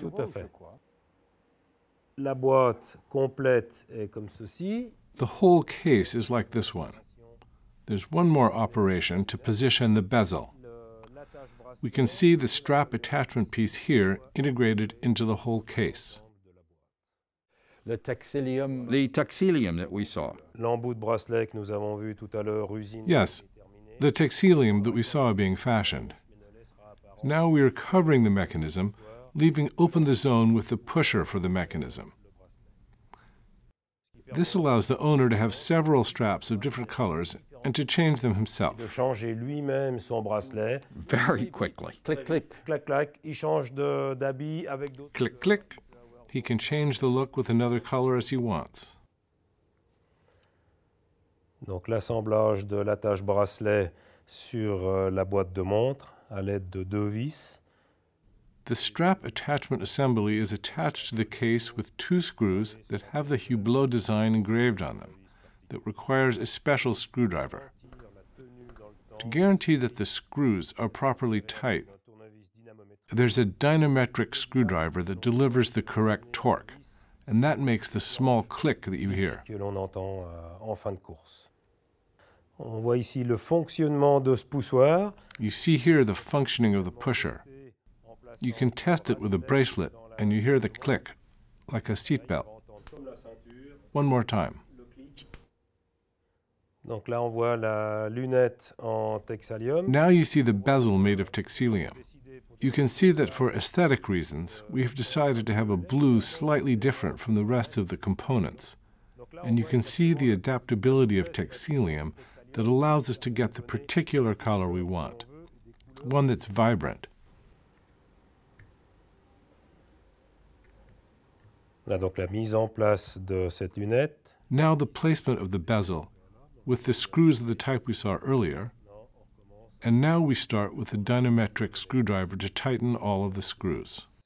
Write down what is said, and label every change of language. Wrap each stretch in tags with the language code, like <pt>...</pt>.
<fr>Tout à fait. La boîte complète est comme ceci.</fr> <en>The whole case is like this one. There's one more operation to position the bezel. We can see the strap attachment piece here integrated into the whole case. The textilium that we saw.</en> <fr>L'embout de bracelet que nous avons vu tout à l'heure, usiné.</fr> <en>Yes, the textilium that we saw being fashioned. Now we are covering the mechanism, leaving open the zone with the pusher for the mechanism. This allows the owner to have several straps of different colors and to change them himself.</en> <fr>De changer lui-même son bracelet.</fr> <en>Very quickly. Click, click.</en> <fr>Clac, clac. Il change d'habit avec d'autres.</fr> <en>Click, click. He can change the look with another color as he wants.</en> <fr>Donc l'assemblage de l'attache bracelet sur la boîte de montre à l'aide de deux vis.</fr> <en>The strap attachment assembly is attached to the case with two screws that have the Hublot design engraved on them that requires a special screwdriver. To guarantee that the screws are properly tight, there's a dynamometric screwdriver that delivers the correct torque, and that makes the small click that you hear.</en> <fr>Que l'on entend en fin de course. On voit ici le fonctionnement de ce poussoir.</fr> <en>You see here the functioning of the pusher. You can test it with a bracelet and you hear the click, like a seatbelt. One more time.</en> <fr>Donc là, on voit la lunette en texalium.</fr> <en>Now you see the bezel made of texelium. You can see that for aesthetic reasons, we have decided to have a blue slightly different from the rest of the components. And you can see the adaptability of texelium that allows us to get the particular color we want, one that's vibrant.</en> <fr>Là, donc, la mise en place de cette lunette.</fr> <en>Now the placement of the bezel, with the screws of the type we saw earlier, and now we start with a dynamometric screwdriver to tighten all of the screws.</en>